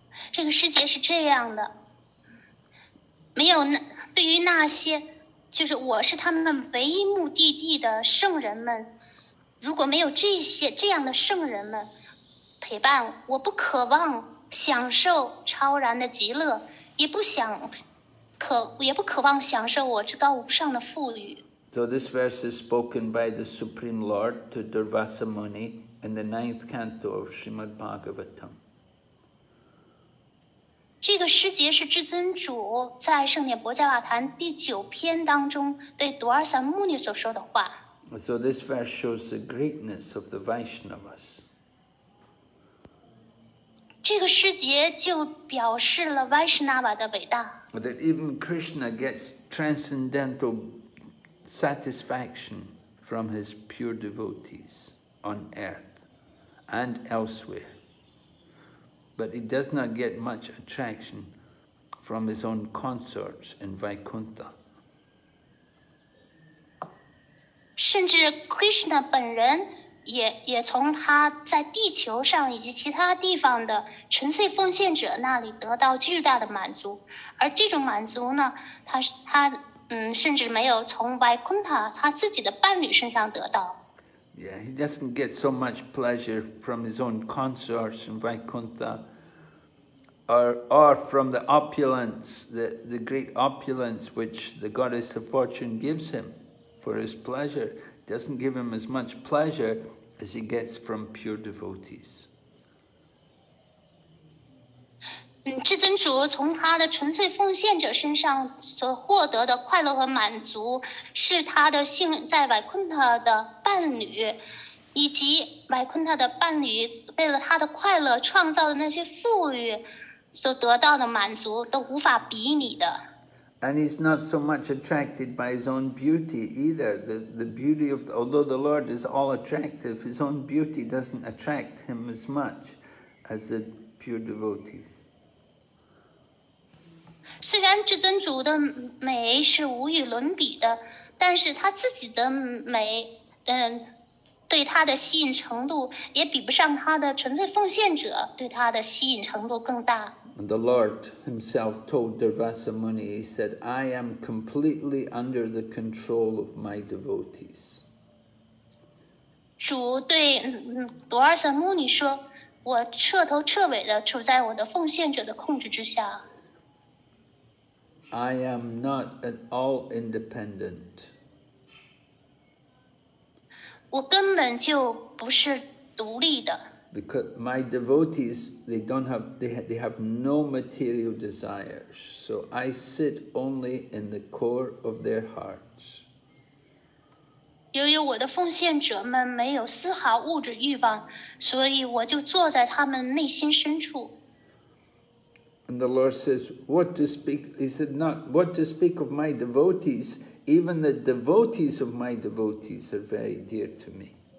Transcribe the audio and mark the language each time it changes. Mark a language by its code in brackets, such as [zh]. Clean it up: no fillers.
[zh] 这个师姐是这样的，没有那对于那些，就是我是他们唯一目的地的圣人们，如果没有这些这样的圣人们陪伴，我不渴望享受超然的极乐，也不渴望享受我至高无上的富裕。 [en] So this verse is spoken by the Supreme Lord to Durvasa Muni in the ninth canto of Srimad Bhagavatam. [zh] 这个师节是至尊主在圣典薄伽瓦坛第九篇当中对 Durvasa Muni 所说的话。 [en] So this verse shows the greatness of the Vaishnavas. [zh] 这个师节就表示了 Vaishnava 的伟大。 [en] That even Krishna gets transcendental satisfaction from his pure devotees on earth and elsewhere, but he does not get much attraction from his own consorts in Vaikuntha. [zh] 甚至 Krishna 本人也从他在地球上以及其他地方的纯粹奉献者那里得到巨大的满足，而这种满足呢，他。甚至没有从 Vaikuntha 他自己的伴侣身上得到。 [en] Yeah, he doesn't get so much pleasure from his own consorts in Vaikuntha, or from the opulence, the great opulence which the goddess of fortune gives him for his pleasure. It doesn't give him as much pleasure as he gets from pure devotees. [zh] 至尊主从他的纯粹奉献者身上所获得的快乐和满足，是他的性在 Vaikuntha 的伴侣，以及 Vaikuntha 的伴侣为了他的快乐创造的那些富裕所得到的满足都无法比拟的。 [en] And he's not so much attracted by his own beauty either. The beauty of the, although the Lord is all attractive, his own beauty doesn't attract him as much as the pure devotees. [zh] 虽然至尊主的美是无与伦比的，但是他自己的美，对他的吸引程度也比不上他的纯粹奉献者对他的吸引程度更大。 [en] And the Lord himself told Durvasa Muni, he said, I am completely under the control of my devotees. [zh] 主对Durvasa Muni说，我彻头彻尾的处在我的奉献者的控制之下。 [en] I am not at all independent. [zh] 我根本就不是独立的。 [en] Because my devotees, they have no material desires. So I sit only in the core of their hearts. [zh] 由于我的奉献者们没有丝毫物质欲望，所以我就坐在他们内心深处。 [en] And the Lord says, what to speak, he said, not what to speak of my devotees, even the devotees of my devotees are very dear to me.